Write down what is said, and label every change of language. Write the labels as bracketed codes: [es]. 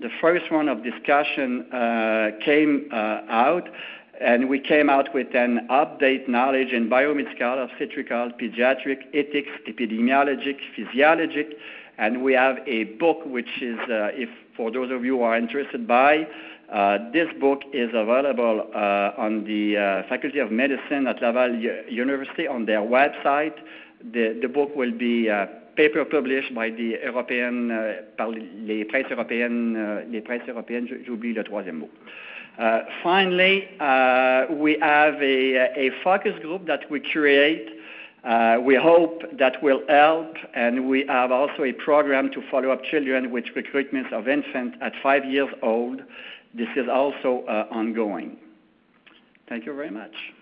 [en] The first one of discussion came out, and we came out with an update knowledge in biomedical, obstetrical, pediatric, ethics, epidemiologic, physiologic, and we have a book which is, if for those of you who are interested by, this book is available on the Faculty of Medicine at Laval University on their website. The book will be paper published by the European, [fr] par les presses européennes, j'oublie le troisième mot. [en] Finally, we have a focus group that we create. We hope that will help, and we have also a program to follow up children with recruitment of infants at 5 years old. This is also ongoing. Thank you very much.